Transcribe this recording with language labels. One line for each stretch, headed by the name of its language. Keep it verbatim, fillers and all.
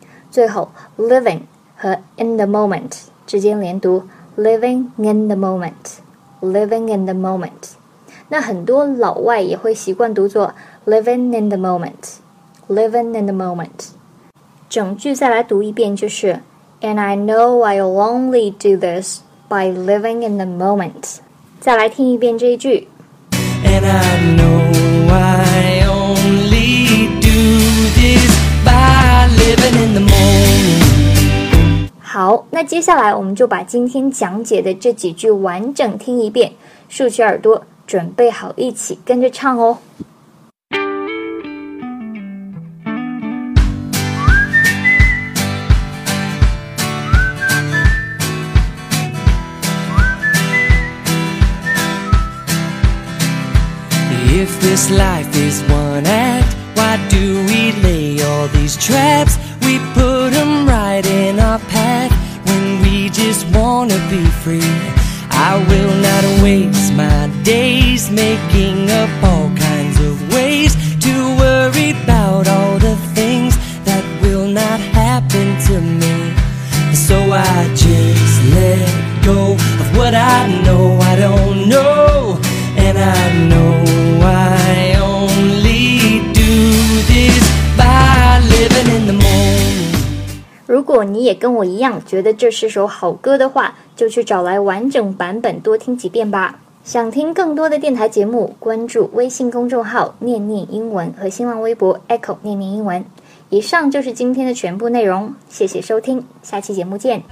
Chinese: 最后
English: living
Chinese: 和
English: in the moment
Chinese: 之间连读，
English: living in the moment living in the moment
Chinese: 那很多老外也会习惯读作
English: living in the moment living in the moment
Chinese: 整句再来读一遍，就是
English: And I know I'll only do this by living in the moment
Chinese: 再来听一遍这一句
English: And I know I only do this by living in the moment
Chinese: 好，那接下来我们就把今天讲解的这几句完整听一遍，竖起耳朵，准备好一起跟着唱哦。
English: If this life is one act, why do we lay all these traps? We put them right in our path when we just wanna be free. I will not waste my days making up all kinds of ways to worry about all the things that will not happen to me. So I just let go of what I know I don't know, and I know I only do this by living in the moment.
Chinese: 如果你也跟我一样觉得这是首好歌的话，就去找来完整版本多听几遍吧。想听更多的电台节目，关注微信公众号念念英文和新浪微博 Echo 念念英文。以上就是今天的全部内容，谢谢收听，下期节目见。